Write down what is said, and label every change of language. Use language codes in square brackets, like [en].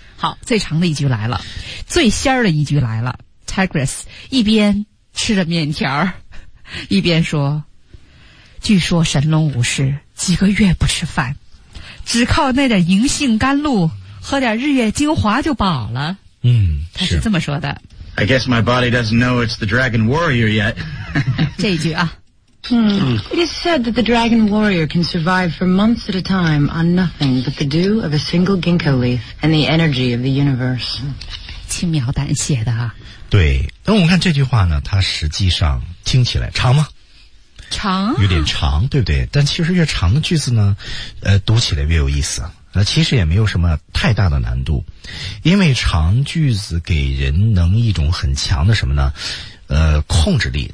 [zh] 好，最长的一句来了，最仙儿的一句来了。 Tigress 一边吃着面条，一边说。据说神龙武士几个月不吃饭，只靠那点银杏甘露，喝点日月精华就饱了。嗯，他是这么说的。 [en] I guess my body doesn't know it's the Dragon Warrior yet. [zh] 这一句啊。 [en] It is said that the Dragon Warrior can survive for months at a time on nothing but the dew of a single ginkgo leaf and the energy of the universe. [zh] 轻描淡写的啊。对，那我们看这句话呢，它实际上听起来长吗？长、啊、有点长，对不对？但其实越长的句子呢，读起来越有意思。其实也没有什么太大的难度，因为长句子给人能一种很强的什么呢？控制力。